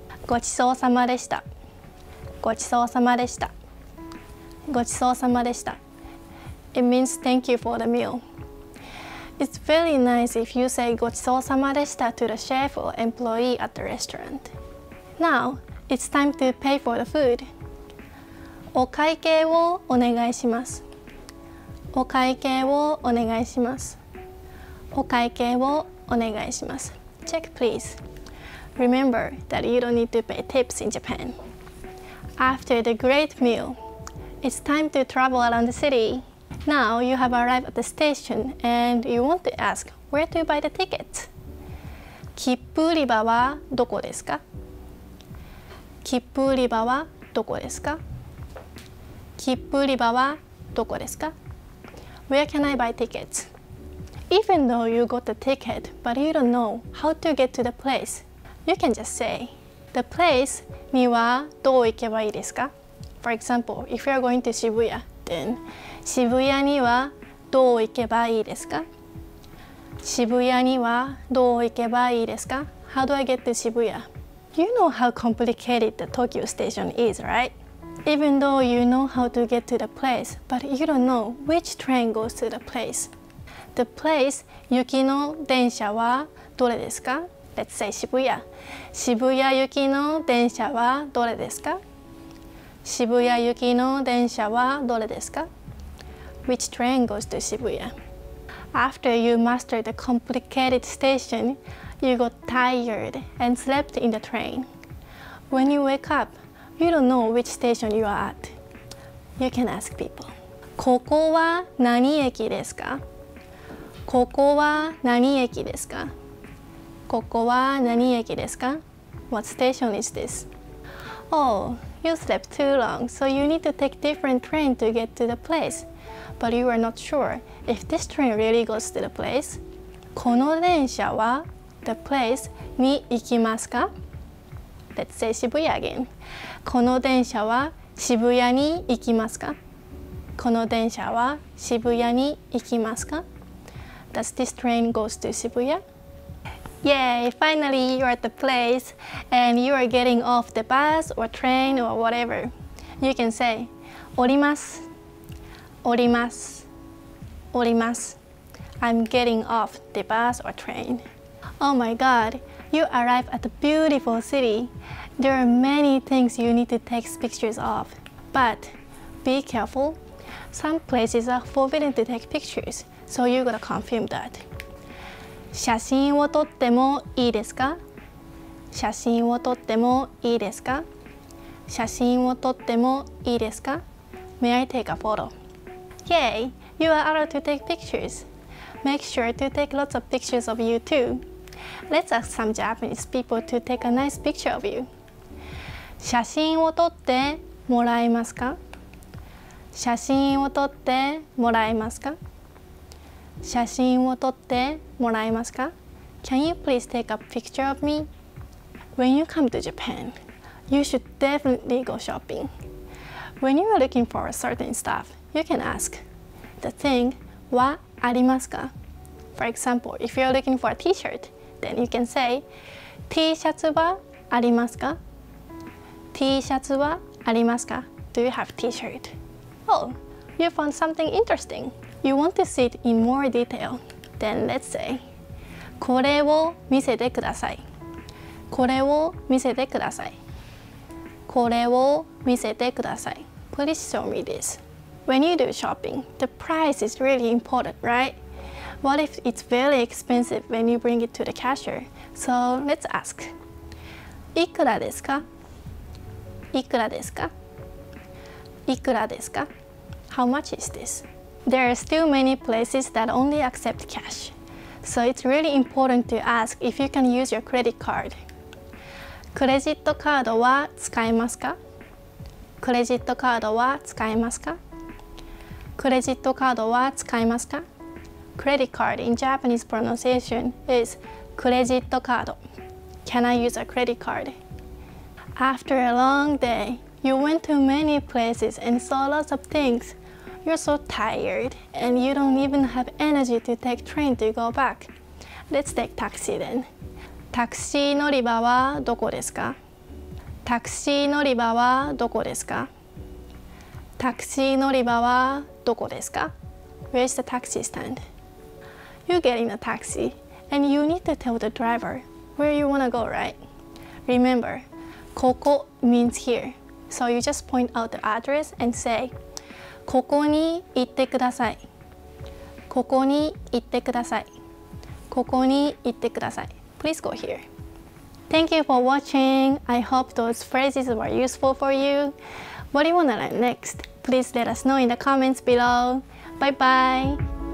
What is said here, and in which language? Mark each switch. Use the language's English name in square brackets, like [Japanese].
[Japanese] ごちそうさまでした。ごちそうさまでした。ごちそうさまでした。 [English] It means thank you for the meal. It's very nice if you say [Japanese] ごちそうさまでした [English] to the chef or employee at the restaurant. Now, it's time to pay for the food. [Japanese] お会計をお願いします。お会計をお願いします。お会計をお願いします。 [English] Check, please. Remember that you don't need to pay tips in Japan. After the great meal, it's time to travel around the city. Now you have arrived at the station and you want to ask where to buy the tickets. [Japanese] 切符売り場はどこですか？切符売り場はどこですか？切符売り場はどこですか？ [English] Where can I buy tickets? Even though you got the ticket, but you don't know how to get to the place, you can just say,The place [Japanese] にはどう行けばいいですか? [English] For example, if you are going to Shibuya, then [Japanese] 渋谷にはどう行けばいいですか?渋谷にはどう行けばいいですか? [English] How do I get to Shibuya? You know how complicated the Tokyo station is, right? Even though you know how to get to the place, but you don't know which train goes to the place. The place [Japanese] 雪の電車はどれですか? [English] Let's say 渋谷。 [Japanese] 渋谷行きの電車はどれですか？渋谷行きの電車はどれですか [English] ？Which train goes to Shibuya? After you mastered the complicated station, you got tired and slept in the train. When you wake up, you don't know which station you are at. You can ask people. [Japanese] ここは何駅ですか？ここは何駅ですか？ここは何駅ですか? [English] What station is this? Oh, you slept too long, so you need to take different train to get to the place. But you are not sure if this train really goes to the place. [Japanese] この電車は [English] the place [Japanese] に行きますか? [English] Let's say 渋谷 again. [Japanese] この電車は渋谷に行きますか?この電車は渋谷に行きますか? [English] Does this train goes to 渋谷?Yay! Finally, you're at the place and you are getting off the bus or train or whatever. You can say, [Japanese] 降ります。降ります。降ります。 [English] I'm getting off the bus or train. Oh my god, you arrive at a beautiful city. There are many things you need to take pictures of. But be careful. Some places are forbidden to take pictures, so you gotta confirm that. [Japanese] 写真を撮ってもいいですか?写真を撮ってもいいですか? 写真を撮ってもいいですか? [English] May I take a photo? Yay! You are allowed to take pictures. Make sure to take lots of pictures of you too. Let's ask some Japanese people to take a nice picture of you. [Japanese] 写真を撮ってもらえますか?写真を撮ってもらえますか? 写真を撮ってもらえますか? [English] Can you please take a picture of me? When you come to Japan, you should definitely go shopping. When you are looking for a certain stuff, you can ask the thing [Japanese] はありますか? [English] For example, if you are looking for a t-shirt, then you can say [Japanese] T シャツはありますか? T シャツはありますか? [English] Do you have a t-shirt? Oh, you found something interesting. You want to see it in more detail. Then let's say, [Japanese] これを見せてください。これを見せてください。これを見せてください。 [English] Please show me this. When you do shopping, the price is really important, right? What if it's very expensive when you bring it to the cashier? So let's ask, [Japanese] いくらですか?いくらですか?いくらですか? [English] How much is this? There are still many places that only accept cash. So it's really important to ask if you can use your credit card. [Japanese] クレジットカードは使えますか?クレジットカードは使えますか? クレジットカードは使えますか? [English] Credit card in Japanese pronunciation is クレジットカード. Can I use a credit card? After a long day, you went to many places and saw lots of things. You're so tired, and you don't even have energy to take train to go back. Let's take taxi then. [Japanese] タクシー乗り場はどこですか?タクシー乗り場はどこですか? タクシー乗り場はどこですか? [English] Where's the taxi stand? You get in a taxi, and you need to tell the driver where you want to go, right? Remember, ここ means here. So you just point out the address and say, [Japanese] ここに行ってください。ここに行ってください。ここに行ってください。 [English] Please go here. Thank you for watching. I hope those phrases were useful for you. What do you want to learn next? Please let us know in the comments below. Bye bye!